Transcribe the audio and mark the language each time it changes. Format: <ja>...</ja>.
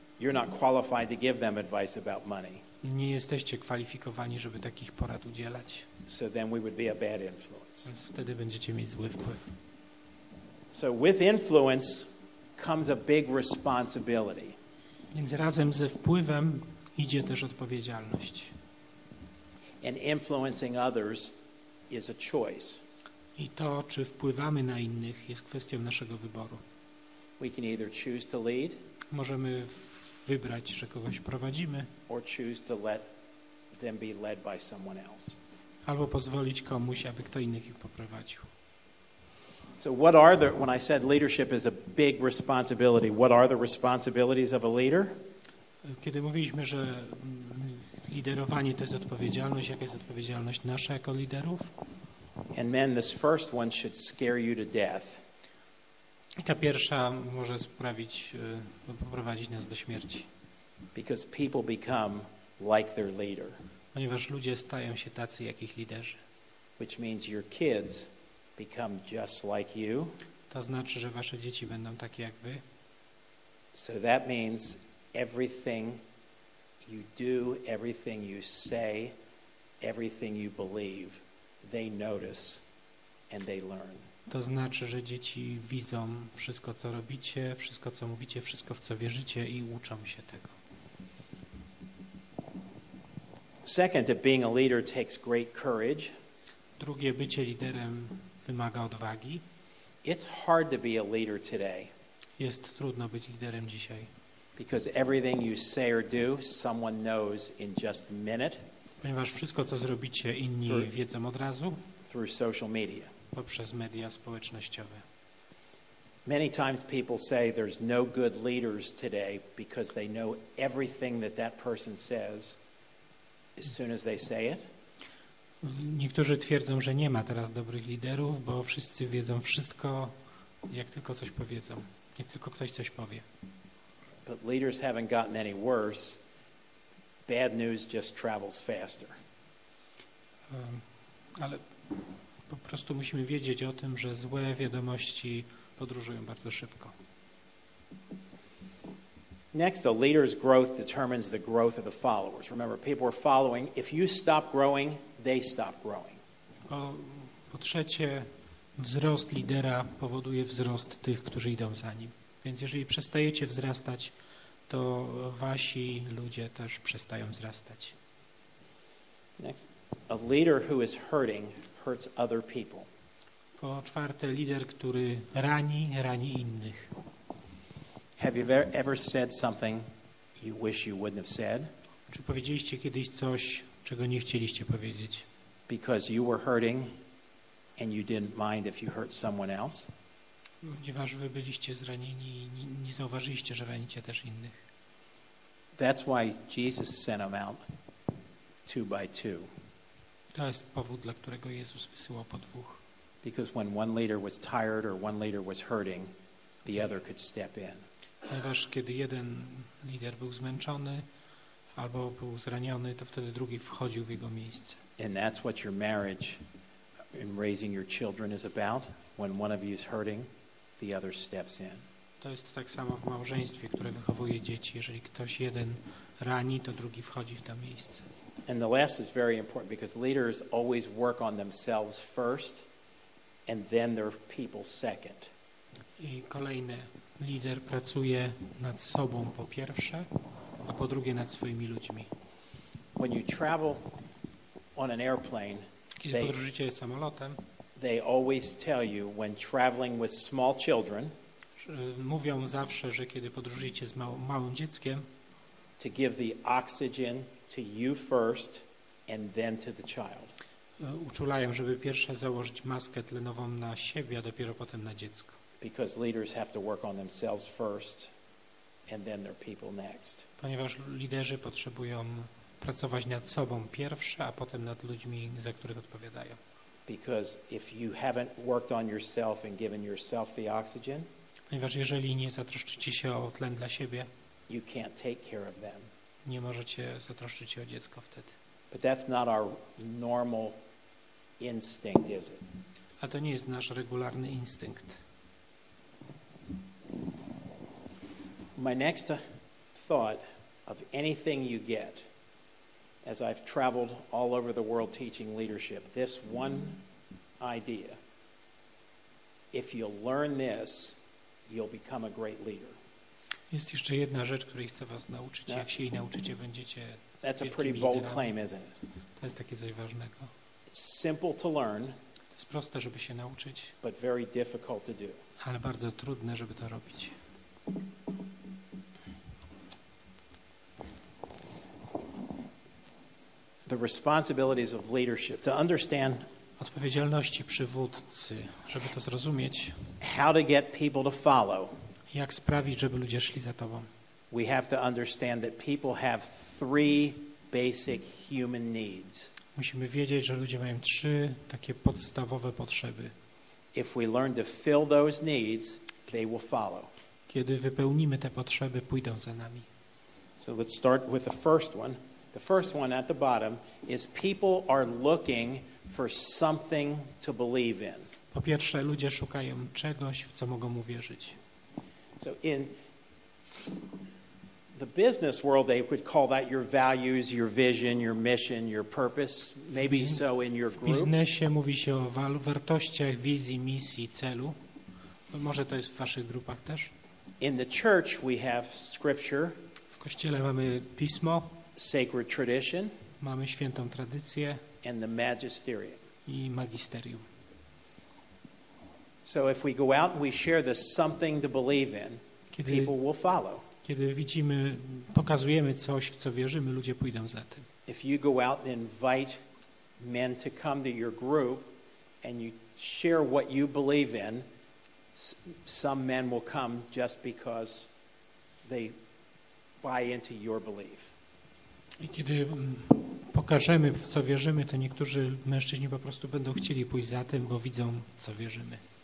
<en>you're not qualified to give them advice about money.</en> <pl>Nie jesteście kwalifikowani, żeby takich porad udzielać.</pl> <en>So then we would be a bad influence.</en> <pl>Więc wtedy będziecie mieć zły wpływ.</pl> <en>So with influence comes a big responsibility.</en> <pl>Więc razem ze wpływem idzie też odpowiedzialność.</pl> <en>And influencing others is a choice.</en> <pl>I to, czy wpływamy na innych, jest kwestią naszego wyboru.</pl> <en>We can either choose to lead,</en> <pl>możemy wybrać, że kogoś prowadzimy,</pl> <en>or choose to let them be led by someone else.</en> <pl>Albo pozwolić komuś, aby kto inny ich poprowadził.</pl> <en>So what are the, when I said leadership is a big responsibility, what are the responsibilities of a leader?</en> <pl>Kiedy mówiliśmy, że liderowanie to jest odpowiedzialność, jaka jest odpowiedzialność nasza jako liderów?</pl> <en>And men, this first one should scare you to death.</en> <pl>I ta pierwsza może sprawić, poprowadzić nas do śmierci.</pl> <en>Because people become like their leader.</en> <pl>Ponieważ ludzie stają się tacy, jak ich liderzy.</pl> <en>Which means your kids become just like you.</en> <pl>To znaczy, że wasze dzieci będą takie jak wy.</pl> <en>So that means everything you do, everything you say, everything you believe, they notice and they learn.</en> <pl>To znaczy, że dzieci widzą wszystko, co robicie, wszystko, co mówicie, wszystko, w co wierzycie i uczą się tego.</pl> <en>Second, that being a leader takes great courage.</en> <pl>Drugie, bycie liderem wymaga odwagi.</pl> <en>It's hard to be a leader today.</en> <pl>Jest trudno być liderem dzisiaj.</pl> <en>Because everything you say or do, someone knows in just a minute.</en> <pl>Ponieważ wszystko, co zrobicie, inni wiedzą od razu.</pl> <en>Through social media.</en> <pl>Poprzez media społecznościowe.</pl> <en>Many times people say there's no good leaders today because they know everything that that person says as soon as they say it.</en> <pl>Niektórzy twierdzą, że nie ma teraz dobrych liderów, bo wszyscy wiedzą wszystko, jak tylko coś powiedzą, jak tylko ktoś coś powie.</pl> <en>But leaders haven't gotten any worse. Bad news just travels faster.</en> <pl>Ale po prostu musimy wiedzieć o tym, że złe wiadomości podróżują bardzo szybko.</pl> <en>Next, a leader's growth determines the growth of the followers. Remember, people are following. If you stop growing, they stop growing.</en> <pl>Po trzecie, wzrost lidera powoduje wzrost tych, którzy idą za nim. Więc jeżeli przestajecie wzrastać, to wasi ludzie też przestają wzrastać.</pl> <en>Next, a leader who is hurting hurts other people.</en> <pl>Po czwarte, lider, który rani, rani innych.</pl> <en>Have you ever said something you wish you wouldn't have said?</en> <pl>Czy powiedzieliście kiedyś coś, czego nie chcieliście powiedzieć?</pl> <en>Because you were hurting and you didn't mind if you hurt someone else?</en> <pl>Ponieważ wy byliście zranieni i nie zauważyliście, że ranicie też innych.</pl> <en>That's why Jesus sent them out two by two.</en> <pl>To jest powód, dla którego Jezus wysyłał po dwóch.</pl> <en>Because when one leader was tired or one leader was hurting, the other could step in.</en> <pl>Ponieważ kiedy jeden lider był zmęczony albo był zraniony, to wtedy drugi wchodził w jego miejsce.</pl> <en>And that's what your marriage and raising your children is about. When one of you is hurting, the other steps in.</en> <pl>To jest tak samo w małżeństwie, które wychowuje dzieci. Jeżeli ktoś jeden rani, to drugi wchodzi w to miejsce.</pl> <en>And the last is very important because leaders always work on themselves first and then their people second.</en> <pl>I kolejne. Lider pracuje nad sobą po pierwsze, a po drugie nad swoimi ludźmi.</pl> <en>When you travel on an airplane,</en> <pl>kiedy podróżujecie samolotem,</pl> <en>they always tell you when traveling with small children,</en> <pl>mówią zawsze, że kiedy podróżujecie z małym dzieckiem,</pl> <en>to give the oxygen to you first and then to the child.</en> <pl>Uczulają, żeby pierwsze założyć maskę tlenową na siebie, a dopiero potem na dziecko.</pl> <en>Because leaders have to work on themselves first and then their people next.</en> <pl>Ponieważ liderzy potrzebują pracować nad sobą pierwsze, a potem nad ludźmi, za których odpowiadają.</pl> <en>Because if you haven't worked on yourself and given yourself the oxygen,</en> <pl>ponieważ jeżeli nie zatroszczycie się o tlen dla siebie,</pl> <en>you can't take care of them.</en> <pl>Nie możecie zatroszczyć się o dziecko wtedy.</pl> <en>But that's not our normal instinct, is it?</en> <pl>A to nie jest nasz regularny instynkt.</pl> <en>My next thought of anything you get, as I've traveled all over the world teaching leadership, this one idea, if you'll learn this, you'll become a great leader.</en> <pl>Jest jeszcze jedna rzecz, której chcę was nauczyć. Jak się jej nauczycie, będziecie wielkim liderem.</pl> <en>That's a pretty bold claim, isn't it?</en> <pl>To jest takie coś ważnego.</pl> <en>It's simple to learn.</en> <pl>To jest proste, żeby się nauczyć.</pl> <en>But very difficult to do.</en> <pl>Ale bardzo trudne, żeby to robić.</pl> <en>The responsibilities of leadership. To understand</en> <pl>odpowiedzialności przywódcy, żeby to zrozumieć.</pl> <en>How to get people to follow.</en> <pl>Jak sprawić, żeby ludzie szli za tobą?</pl> <en>We have to understand that people have three basic human needs.</en> <pl>Musimy wiedzieć, że ludzie mają trzy takie podstawowe potrzeby.</pl> <en>If we learn to fill those needs, they will follow.</en> <pl>Kiedy wypełnimy te potrzeby, pójdą za nami.</pl> <en>So let's start with the first one. The first one at the bottom is people are looking for something to believe in.</en> <pl>Po pierwsze, ludzie szukają czegoś, w co mogą uwierzyć.</pl> <en>So in the business world, they would call that your values, your vision, your mission, your purpose. Maybe so in your group.</en> <pl>W biznesie mówi się o wartościach, wizji, misji, celu. Może to jest w waszych grupach też.</pl> <en>In the church, we have scripture.</en> <pl>W kościele mamy pismo.</pl> <en>Sacred tradition.</en> <pl>Mamy świętą tradycję.</pl> <en>And the magisterium.</en> <pl>I magisterium.</pl> <en>So if we go out and we share this something to believe in, people will follow.</en> <pl>Kiedy widzimy, pokazujemy coś, w co wierzymy, ludzie pójdą za tym.</pl> <en>If you go out and invite men to come to your group and you share what you believe in, some men will come just because they buy into your belief.</en> <pl>I kiedy pokażemy, w co wierzymy, to niektórzy mężczyźni po prostu będą chcieli pójść za tym, bo widzą, w co wierzymy.</pl>